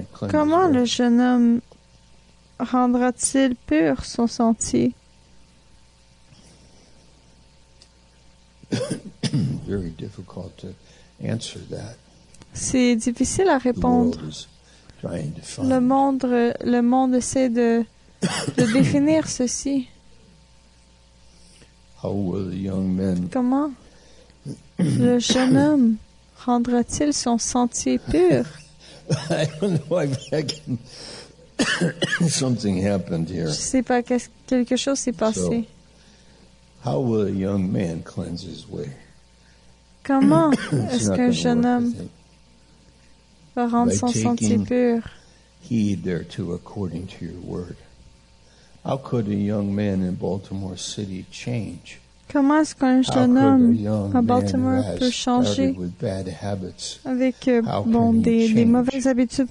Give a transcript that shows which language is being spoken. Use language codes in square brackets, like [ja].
[fr] Comment le jeune homme rendra-t-il pur son sentier? [en] Very difficult to answer that. [fr] C'est difficile à répondre. Le monde essaie de définir ceci. [en] How will the young men? [fr] Comment le jeune homme rendra-t-il son sentier pur? [en] I don't know if I can. Something happened here. [fr] Je sais pas, quelque chose s'est passé. [en] So, how will a young man cleanse his way? [fr] Comment est-ce qu'un jeune homme va rendre son sentier pur? [en] Heed thereto according to your word. How could a young man in Baltimore City change? [fr] Comment est-ce qu'un jeune homme à Baltimore peut changer avec des mauvaises habitudes?